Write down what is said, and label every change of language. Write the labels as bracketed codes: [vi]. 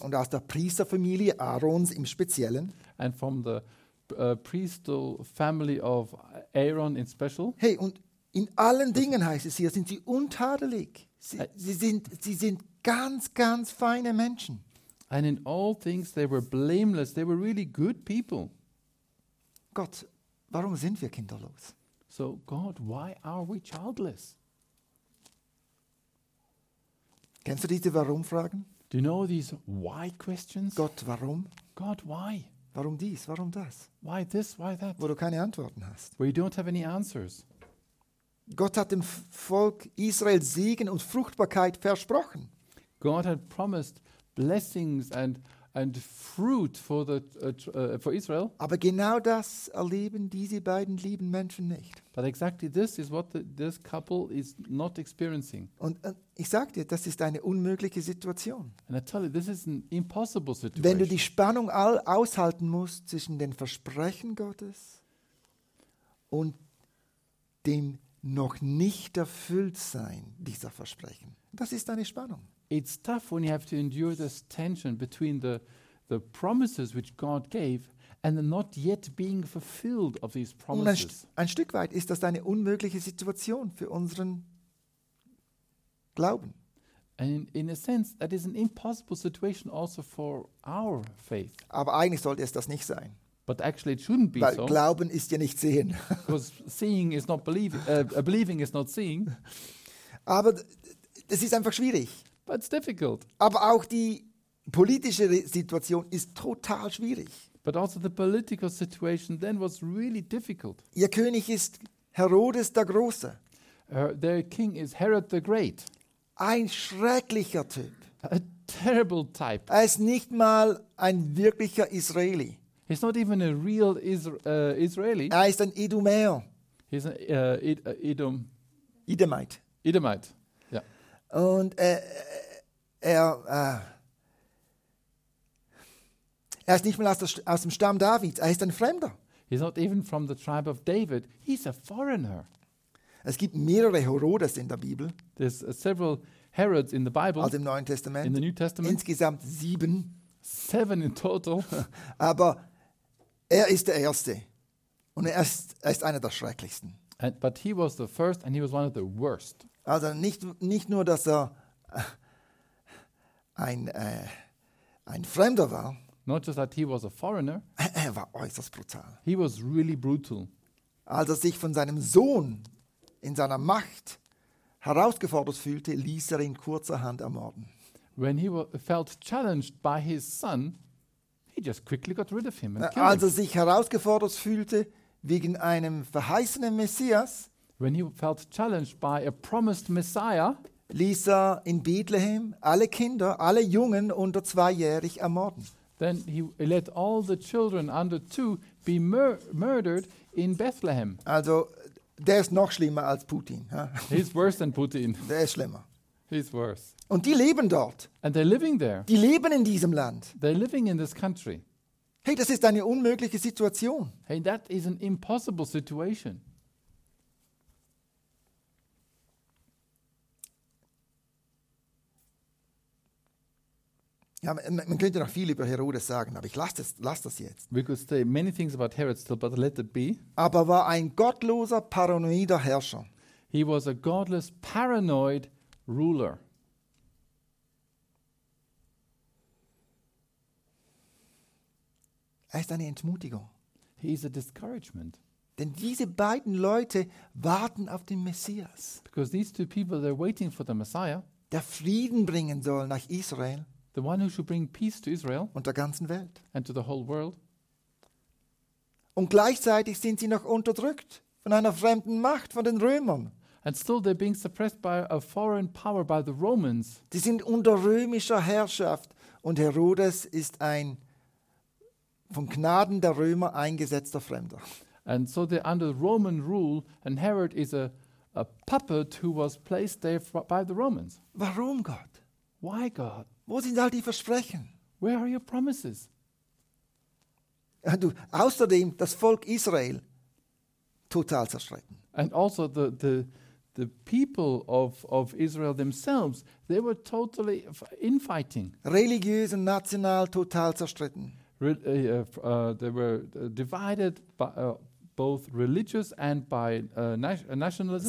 [de] Und aus der Priesterfamilie Aarons im Speziellen. [en] And from the priestly family of Aaron in special. [de] Hey, und in allen Dingen heißt es hier, sind sie untadelig. Sie sind ganz, ganz feine Menschen. [en] And in all things they were blameless. They were really good people. [de] Gott, warum sind wir kinderlos? [en] So God, why are we childless? [de] Kennst du diese Warum-Fragen? [en] Do you know these why questions? [de] Gott, warum? [en] God, why? [de] Warum dies? Warum das? [en] Why this? Why that? [de] Wo du keine Antworten hast. [en] Where you don't have any answers. [de] Gott hat dem Volk Israel Segen und Fruchtbarkeit versprochen. [en] God had promised blessings and fruit for the for Israel. [de] Aber genau das erleben diese beiden lieben Menschen nicht. [en] But exactly this is what this couple is not experiencing. [de] Und ich sag dir, das ist eine unmögliche Situation. [en] And I tell you, this is an impossible situation. [de] Wenn du die Spannung all aushalten musst zwischen den Versprechen Gottes und dem noch nicht erfüllt sein dieser Versprechen. Das ist eine Spannung. [en] It's tough when you have to endure this tension between the promises which God gave and the not yet being fulfilled of these promises. [de] Und ein Stück weit ist das eine unmögliche Situation für unseren Glauben. [en] And in a sense, that is an impossible situation also for our faith. [de] Aber eigentlich sollte es das nicht sein. [en] But actually it shouldn't be. [de] Weil so. Glauben ist ja nicht sehen. [en] Because seeing is not believing. Believing is not seeing. [de] Aber es ist einfach schwierig. [en] But it's difficult. [de] Aber auch die politische Situation ist total schwierig. [en] But also the political situation then was really difficult. [de] Ihr König ist Herodes der Große. [en] Their king is Herod the Great. [de] Ein schrecklicher Typ. [en] A terrible type. [de] Er ist nicht mal ein wirklicher Israeli. [en] He's not even a real Israeli. [de] Er ist ein Edomäer. [en] He's an Edom. Edomite. Edomite. [de] Und er ist nicht mal aus dem Stamm Davids, er ist ein Fremder. [en] He's not even from the tribe of David, he's a foreigner. [de] Es gibt mehrere Herodes in der Bibel. [en] There's several Herods in the Bible. [de] Also im Neuen Testament. [en] In the New Testament. [de] Insgesamt 7. [en] 7 in total. [de] Aber er ist der Erste. Und er ist einer der Schrecklichsten. [en] But he was the first and he was one of the worst. [de] Also nicht nur, dass er ein Fremder war. [en] Not just that he was a foreigner. [de] Er war äußerst brutal. [en] He was really brutal. [de] Als er sich von seinem Sohn in seiner Macht herausgefordert fühlte, ließ er ihn kurzerhand ermorden. [en] When he felt challenged by his son, he just quickly got rid of him and killed him. [de] Als er sich herausgefordert fühlte wegen einem verheißenen Messias, [en] when he felt challenged by a promised Messiah, [de] ließ er in Bethlehem alle Kinder, alle Jungen unter zweijährig ermorden. [en] Then he let all the children under two be murdered in Bethlehem. [de] Also, der ist noch schlimmer als Putin. [en] He's worse than Putin. [de] Der ist schlimmer. [en] He's worse. [de] Und die leben dort. [en] And they're living there. [de] Die leben in diesem Land. [en] They're living in this country. [de] Hey, das ist eine unmögliche Situation. [en] Hey, that is an impossible situation. [de] Ja, man könnte noch viel über Herodes sagen, aber ich lasse das jetzt. [en] We could say many things about Herod still, but let it be. [de] Aber war ein gottloser, paranoider Herrscher. [en] He was a godless, paranoid ruler. [de] Er ist eine Entmutigung. [en] He is a discouragement. [de] Denn diese beiden Leute warten auf den Messias. [en] Because these two people, they're waiting for the Messiah. [de] Der Frieden bringen soll nach Israel. [en] The one who should bring peace to Israel [de] und der ganzen Welt. [en] And to the whole world. [de] Und gleichzeitig sind sie noch unterdrückt von einer fremden Macht, von den Römern. [en] And still they're being suppressed by a foreign power, by the Romans. [de] Die sind unter römischer Herrschaft und Herodes ist ein von Gnaden der Römer eingesetzter Fremder. [en] And so they're under Roman rule and Herod is a puppet who was placed there by the Romans. [de] Warum Gott? [en] Why God? [de] Wo sind all die Versprechen? [en] Where are your promises? [de] Du, außerdem das Volk Israel total zerstritten. [en] And also the people of Israel themselves, they were totally infighting. [de] Religiös und national total zerstritten. [en] They were divided by both religious and by nationalism.